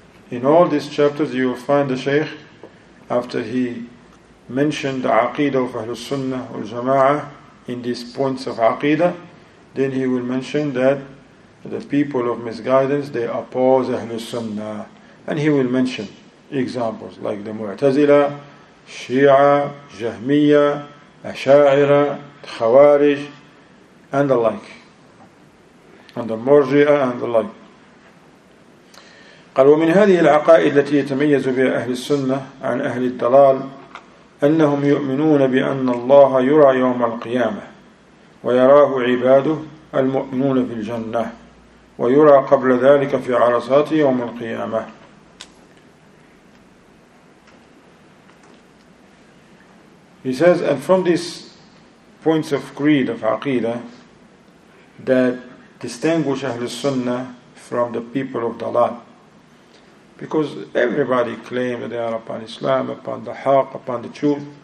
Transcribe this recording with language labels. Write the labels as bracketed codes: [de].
[en] In all these chapters, you will find the Shaykh, after he mentioned the Aqeedah of Ahlul Sunnah wal Jama'ah in these points of Aqeedah, then he will mention that the people of misguidance, they oppose Ahlul Sunnah. And he will mention examples like the Mu'tazila, Shia, Jahmiya, Asha'ira, Khawarij, and the like. And the Murji'ah and the like. [ar] قال ومن هذه العقائد التي يتميز بها أهل السنة عن أهل الضلال أنهم يؤمنون بأن الله يرى يوم القيامة ويراه عباده المؤمنون في الجنة ويرى قبل ذلك في عرصات يوم القيامة. [en] He says, and from these points of creed of Aqeedah that distinguish أهل السنة from the people of Dalal. Because everybody claims that they are upon Islam, upon the Haqq, upon the truth.